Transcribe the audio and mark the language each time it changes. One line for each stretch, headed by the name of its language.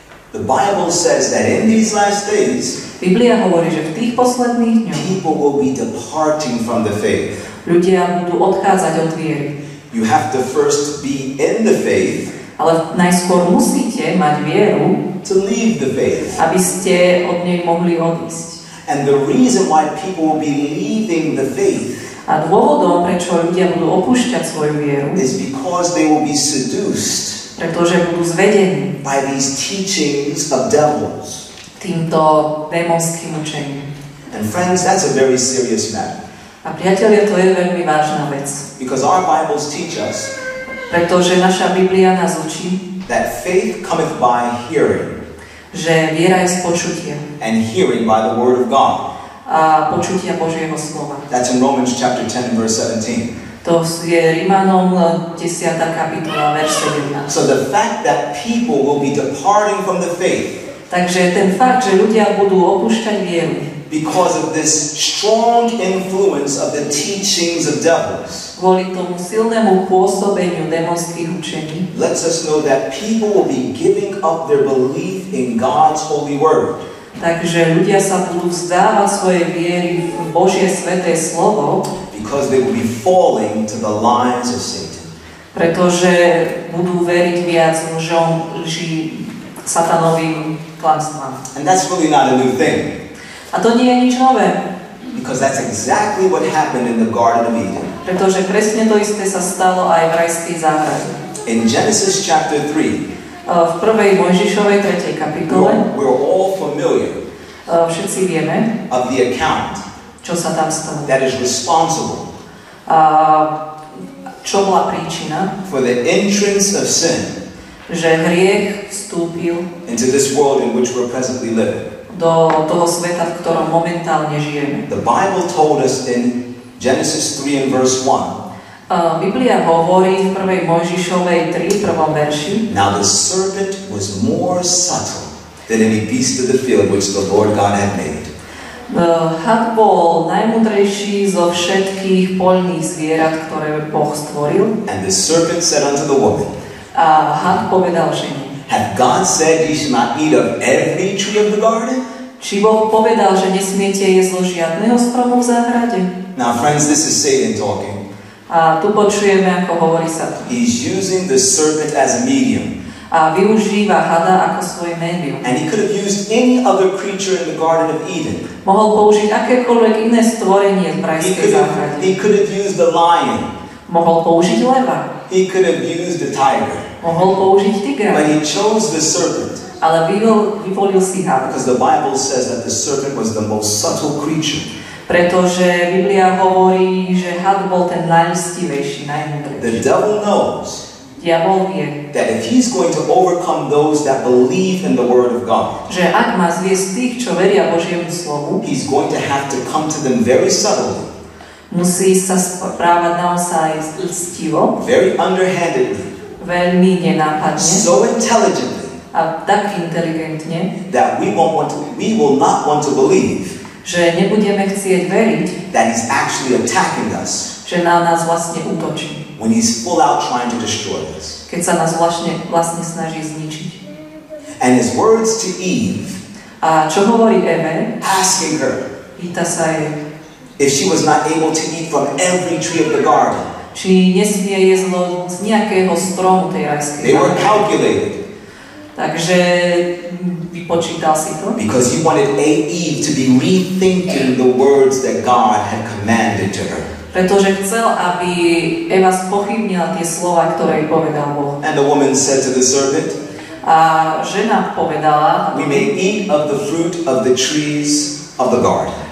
English: The Bible says that in these last days,
Slovak: Biblia hovorí, že v tých posledných dňoch,
English: people will be departing from the faith.
Slovak: Ľudia budú odchádzať od viery.
English: You have to first be in the faith,
Slovak: ale najskôr musíte mať vieru,
English: to leave the faith,
Slovak: aby ste od nej mohli odísť.
English: And the reason why people will be leaving the faith.
Slovak: A dôvodom, prečo ľudia budú opúšťať svoju vieru,
English: is because they will be seduced.
Slovak: Pretože budú zvedení.
English: By these teachings of devils.
Slovak: Týmto démonským učením.
English: And friends, that's a very serious matter.
Slovak: A priatelia, to je veľmi vážna vec.
English: Because our Bibles teach us.
Slovak: Pretože naša Biblia nás učí.
English: That faith cometh by hearing.
Slovak: Že viera je z počutia.
English: And hearing by the word of God.
Slovak: A počutia Božieho slova.
English: That's in Romans chapter 10 and verse 17.
Slovak: To je Rimanom 10. kapitola, verš 17.
English: So the fact that people will be departing from the faith.
Slovak: Takže ten fakt, že ľudia budú opúšťať vieru.
English: Because of this strong influence of the teachings of devils.
Slovak: Kvôli tomu silnému pôsobeniu démonských učení.
English: Lets us know that people will be giving up their belief in God's holy word.
Slovak: Takže ľudia sa budú vzdávať svojej viery v Božie sväté slovo.
English: Because they will be falling to the lies of Satan.
Slovak: Pretože budú veriť viac lžom, lži satanovým klamstvám.
English: And that's really not a new thing.
Slovak: A to nie je nič nové.
English: Because that's exactly what happened in the Garden of Eden.
Slovak: Pretože presne to isté sa stalo aj v rajskej záhrade.
English: In Genesis chapter 3.
Slovak: V prvej Mojžišovej 3. kapitole.
English: We're all familiar.
Slovak: Všetci vieme.
English: Of the account.
Slovak: Čo sa tam stalo.
English: That is responsible.
Slovak: Čo bola príčina?
English: For the entrance of sin.
Slovak: Že hriech vstúpil.
English: Into this world in which we're presently living.
Slovak: Do toho sveta, v ktorom momentálne žijeme.
English: The Bible told us in Genesis 3 and verse 1.
Slovak: Biblia hovorí v prvej Mojžišovej 3, prvom verši.
English: Now the serpent was more subtle than any beast of the field which the Lord God had made.
Slovak: Had bol najmudrejší zo všetkých poľných zvierat, ktoré Boh stvoril.
English: And the serpent said unto the woman.
Slovak: A had povedal ženi.
English: Hath God said ye shall not eat of every tree of the garden?
Slovak: Či Boh povedal, že nesmiete jesť zo žiadneho stromu v záhrade?
English: Now friends, this is Satan talking.
Slovak: A tu počujeme, ako hovorí sa to.
English: He's using the serpent as a medium.
Slovak: A využíva hada ako svoje médium.
English: And he could have used any other creature in the Garden of Eden.
Slovak: Mohol použiť akékoľvek iné stvorenie v rajskej záhrade.
English: He could have used the lion.
Slovak: Mohol použiť leva.
English: He could have used the tiger.
Slovak: Mohol použiť tigra.
English: But he chose the serpent.
Slovak: Ale vyvolil si hada.
English: Because the Bible says that the serpent was the most subtle creature.
Slovak: Pretože Biblia hovorí, že had bol ten najlstivejší, najmudrejší.
English: The devil knows.
Slovak: Diabol vie.
English: That if he's going to overcome those that believe in the word of God.
Slovak: Že ak má zviesť tých, čo veria Božiemu slovu.
English: He's going to have to come to them very subtly.
Slovak: Musí sa správať naozaj lstivo.
English: Very underhandedly.
Slovak: Veľmi nenápadne.
English: So intelligently.
Slovak: A tak inteligentne.
English: That we will not want to believe.
Slovak: Že nebudeme chcieť veriť,
English: that he's actually attacking us.
Slovak: Že na nás vlastne útočí.
English: When he's full out trying to destroy us.
Slovak: Keď sa nás vlastne snaží zničiť.
English: And his words to Eve.
Slovak: A čo hovorí Eve?
English: Asking her.
Slovak: Pýta sa jej.
English: If she was not able to eat from every tree of the garden.
Slovak: Či nesmie jesť z nejakého stromu tej rajskej.
English: They were calculated.
Slovak: Takže vypočítal si to.
English: Because he wanted Eve to be rethinking the words that God had commanded to her.
Slovak: Pretože chcel, aby Eva spochybnila tie slova, ktoré jej povedal Boh.
English: And the woman said to the serpent.
Slovak: A žena povedala.
English: We may eat of the fruit of the trees of the garden.